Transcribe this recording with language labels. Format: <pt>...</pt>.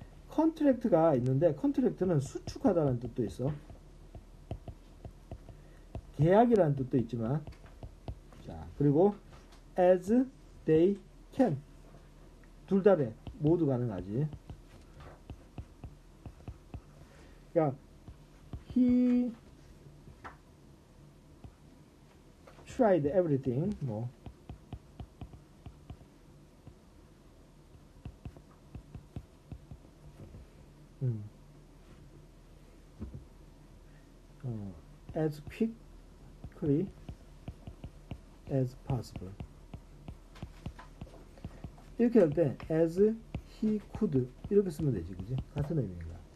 <ko>컨트랙트가 있는데, 컨트랙트는 수축하다는 뜻도 있어. 계약이라는 뜻도 있지만, 자, 그리고</ko> <en>as they can</en> <ko>둘 다 돼. 모두 가능하지. 그러니까</ko> <en>he tried everything.</en> <ko>뭐</ko> <en>as quick as possible</en> <ko>이렇게 할 때</ko> <en>as he could</en> <ko>이렇게 쓰면 되지, 그지? 같은 의미인가?</ko>